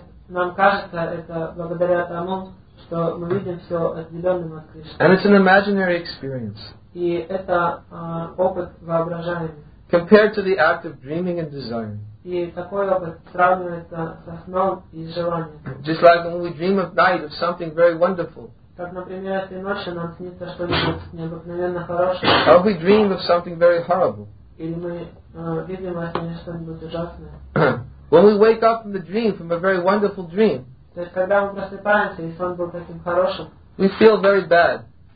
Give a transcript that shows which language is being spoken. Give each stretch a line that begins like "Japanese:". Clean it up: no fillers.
Russian: Нам кажется это благодаря тому, что мы видим все отделенным от Кришны.
English: And it's an imaginary experience.
Russian: И это опыт воображаемый.
English: Compared to the act of dreaming and desiring.
Russian: И такой опыт сравнивается со сном и желанием.
English: Just like when we dream at night of something very wonderful.
Russian: Как, например, если ночью нам снится что-нибудь необыкновенно хорошее.
English: Or we dream of something very horrible.
Russian: Или мы видим во сне что-нибудь ужасное.
English: When we wake up from the dream, from a very wonderful dream, we feel very bad.